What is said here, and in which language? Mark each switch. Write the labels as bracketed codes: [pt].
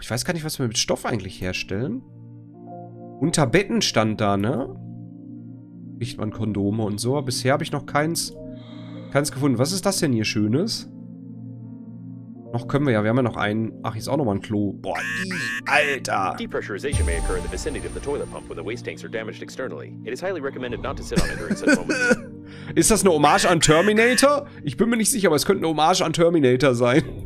[de] Ich weiß gar nicht, was wir mit Stoff eigentlich herstellen. Unter Betten stand da, ne? Kriegt man Kondome und so. Bisher habe ich noch keins gefunden. Was ist das denn hier Schönes? Noch können wir ja. Wir haben ja noch einen. Ach, hier ist auch nochmal ein Klo. Boah, Alter! [en] Depressurization may occur in the vicinity of the toilet pump when the waste tanks are damaged externally. It is highly recommended not to sit on it during such moments. [de] Ist das eine Hommage an Terminator? Ich bin mir nicht sicher, aber es könnte eine Hommage an Terminator sein.